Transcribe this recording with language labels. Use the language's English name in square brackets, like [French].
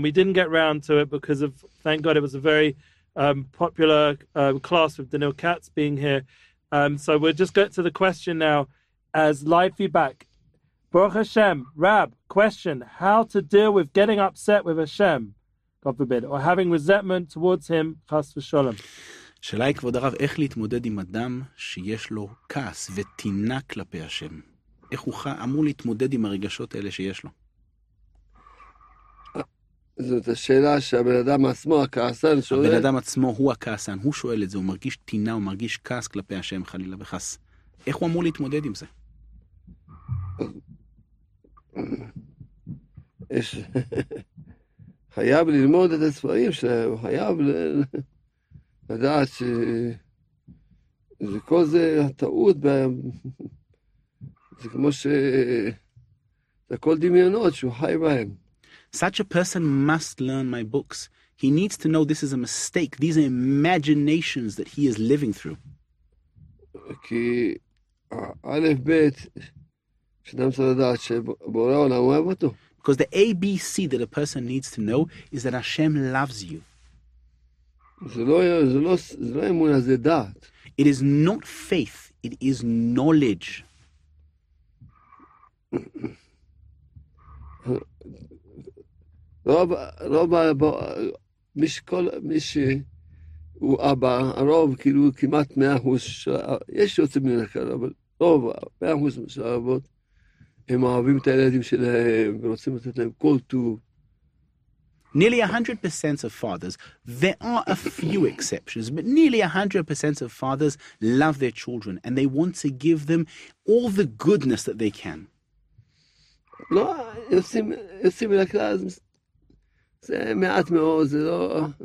[English] And we didn't get round to it because of, thank God, it was a very popular class with Daniil Katz being here. So we'll just get to the question now as live feedback. Baruch Hashem, Rab, question, how to deal with getting upset with Hashem, God forbid, or having resentment towards him, chas v'sholem. [Hebrew] Shalai, kvod Rav, איך להתמודד עם אדם שיש לו כעס ותינה כלפי Hashem? איך הוא אמור להתמודד עם הרגשות האלה שיש לו? זאת השאלה שהבן אדם עצמו, הכעסן, שואל... הבן אדם עצמו הוא הכעסן, הוא שואל את זה, הוא מרגיש טינה, הוא מרגיש כעס כלפי השם חלילה וחס. איך הוא אמור להתמודד עם זה? יש... חייב ללמוד את הספרים שלהם, חייב לדעת ש... זה כל זה הטעות בה... זה כמו ש... זה כל דמיונות שהוא חי בהם. [English] Such a person must learn my books. He needs to know this is a mistake. These are imaginations that he is living through. [Hebrew] כי אלף בית שאדם צריך לדעת שבורא עולם אוהב אותו. [English] Because the ABC that a person needs to know is that Hashem loves you. [Hebrew] זה לא אמונה, זה דעת. [English] It is not faith, it is knowledge. [Hebrew] רוב מי שכל מי ש הוא אבא, הרוב כאילו כמעט 100% של האבות, יש יותר מן הכלל, אבל רוב, 100% של האבות, הם אוהבים את הילדים שלהם ורוצים לתת להם כל טוב. [English] Nearly 100% of fathers, there are a few exceptions, but nearly 100% of fathers love their children and they want to give them all the goodness that they can. [Hebrew] לא, יוצאים מן הכלל, זה מעט מאוד, זה לא...